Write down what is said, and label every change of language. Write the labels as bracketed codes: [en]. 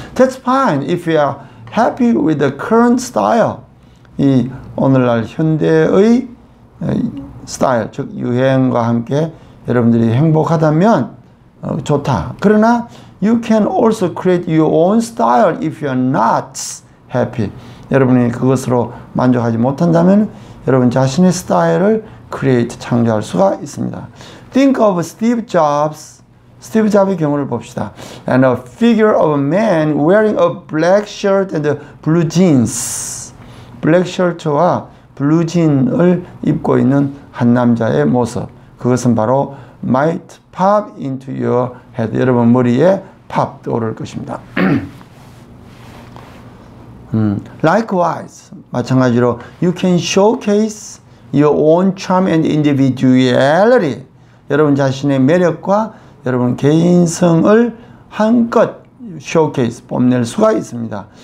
[en] That's fine if you are happy with the current style. [ko] 이 오늘날 현대의 스타일, 즉 유행과 함께 여러분들이 행복하다면 좋다. [en] 그러나 you can also create your own style if you're not happy. [ko] 여러분이 그것으로 만족하지 못한다면 여러분 자신의 스타일을 create, 창조할 수가 있습니다. [en] Think of Steve Jobs. [ko] 스티브 잡의 경우를 봅시다. [en] And a figure of a man wearing a black shirt and blue jeans. [ko] 블랙 셔츠와 블루진을 입고 있는 한 남자의 모습. [en] 그것은 바로 might pop into your head. [ko] 여러분 머리에 pop 떠오를 것입니다. [en] likewise, 마찬가지로 you can showcase your own charm and individuality. [ko] 여러분 자신의 매력과 여러분 개인성을 한껏 showcase, 뽐낼 수가 있습니다.